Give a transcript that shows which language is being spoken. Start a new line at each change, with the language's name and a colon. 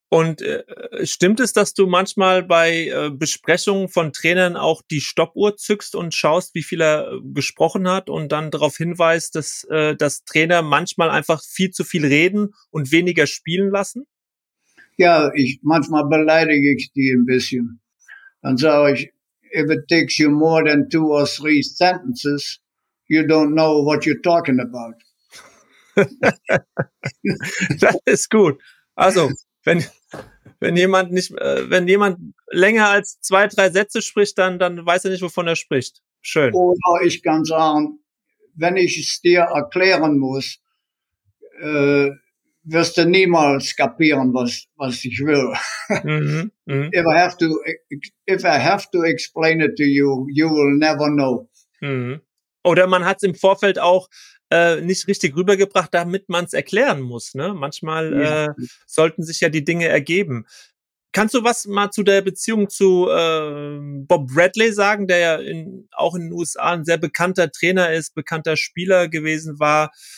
German: Und stimmt es, dass du manchmal bei Besprechungen von Trainern auch die Stoppuhr zückst und schaust, wie viel er gesprochen hat, und dann darauf hinweist, dass Trainer manchmal einfach viel zu viel reden und weniger spielen lassen? Ja, manchmal beleidige ich die ein bisschen. Dann sage ich,
English: if it takes you more than 2 or 3 sentences, you don't know what you're talking about.
German: Das ist gut. Also, wenn jemand länger als 2, 3 Sätze spricht, dann weiß er nicht, wovon er spricht. Schön. Oder ich kann sagen, wenn ich es dir erklären muss, wirst du niemals kapieren, was ich will. Mm-hmm.
English: If I have to explain it to you, you will never know. Mm-hmm.
German: Oder man hat es im Vorfeld auch nicht richtig rübergebracht, damit man es erklären muss. Ne? Manchmal ja. Sollten sich ja die Dinge ergeben. Kannst du was mal zu der Beziehung zu Bob Bradley sagen, der ja auch in den USA ein sehr bekannter Trainer ist, bekannter Spieler gewesen war?